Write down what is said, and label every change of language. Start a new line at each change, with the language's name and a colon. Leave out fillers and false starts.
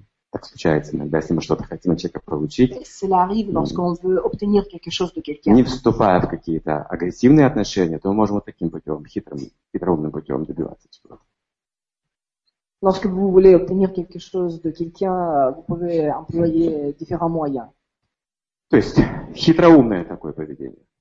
Russian: Так случается иногда, если мы что-то хотим от человека получить.
French: Cela arrive lorsqu'on veut obtenir quelque chose de quelqu'un.
Russian: Не вступая в какие-то агрессивные отношения, то мы можем вот таким путем, хитроумным путем добиваться чего-то.
French: Lorsque vous voulez obtenir quelque chose de quelqu'un, vous pouvez employer différents moyens.
Russian: То есть, хитроумное такое поведение.